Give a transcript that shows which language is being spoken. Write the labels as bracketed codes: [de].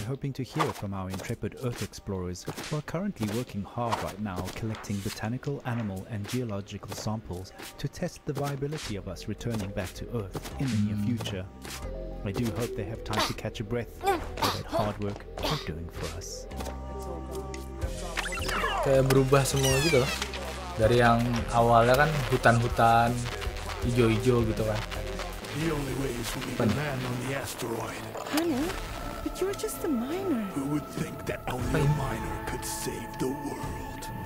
[en] Hoping to hear from our intrepid earth explorers who are currently working hard right now collecting botanical, animal and geological samples to test the viability of us returning back to earth in the near future. I do hope they have time to catch a breath for that hard work they're doing for us. [id] Kayak berubah semua gitu loh. Dari yang awalnya kan hutan-hutan ijo-ijo gitu kan. [en] The only way is for the man on the asteroid. Honey, but you're just a miner. Who would think that only a miner could save the world?